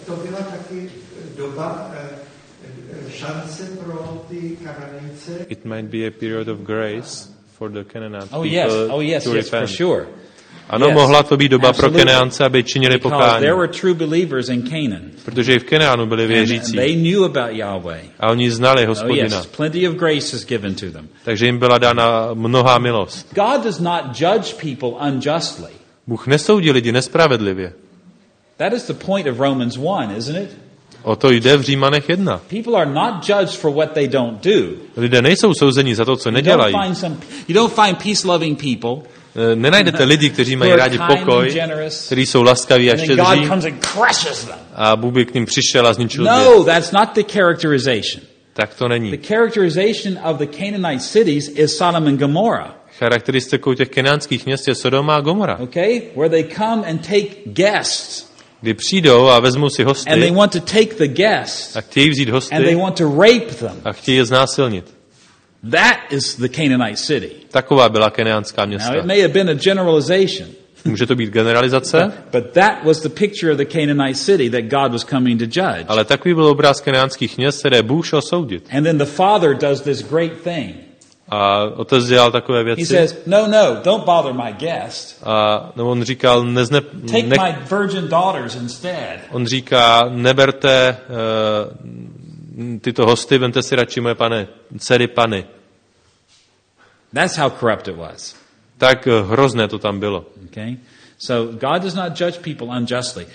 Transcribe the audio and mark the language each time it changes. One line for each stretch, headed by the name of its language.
Czech: To byla taky doba šance pro ty Kananejce.
English: It might be a period of grace for the Canaanites. Oh yes, oh yes,
Czech: to
English: yes, for sure.
Czech: Ano,
English: yes,
Czech: mohla to být doba pro Kenánce, aby činili pokání.
English: There were true believers in Canaan.
Czech: Protože i v Kenánu byli věřící.
English: They knew about Yahweh.
Czech: A oni znali Hospodina.
English: Oh, yes. Plenty of grace is given to them.
Czech: Takže jim byla dána mnohá milost.
English: God does not judge people unjustly.
Czech: Bůh nesoudí lidi nespravedlivě.
English: That is the point of Romans 1, isn't it?
Czech: O to jde v Římanech 1.
English: People are not judged for what they don't do.
Czech: Lidé nejsou souzeni za to, co nedělají.
English: You don't find peace-loving people.
Czech: Nenajdete lidi, kteří mají rádi pokoj, kteří jsou laskaví a štědří. A Bůh by k ním přišel a zničil je. Tak to není.
English: The characterization of the Canaanite cities is Sodom and Gomorrah.
Czech: Charakteristikou těch kenánských měst je Sodoma a Gomora.
English: Okay? Where they come and take guests.
Czech: Kdy přijdou a vezmou si hosty.
English: And they want to take the guests.
Czech: A chtějí vzít hosty.
English: And they want to rape them.
Czech: A chtějí je znásilnit.
English: That is the Canaanite city.
Czech: Taková byla kenyanská města.
English: Now, it may have been a generalization.
Czech: Může to být generalizace?
English: But that was the picture of the Canaanite city that God was coming to judge.
Czech: Ale takový byl obraz kenyanských měst, které Bůh šel soudit.
English: And then the father does this great thing.
Czech: A otec dělal takové věci.
English: He says, "No, no, don't bother my guest."
Czech: A no, on říkal,
English: "Take my virgin daughters instead."
Czech: On říká, neberte tyto hosty, vemte si radši moje pane, dcery pany.
English: That's how corrupt it was.
Czech: Tak hrozné to tam bylo.
English: Okay. So God does not judge people unjustly.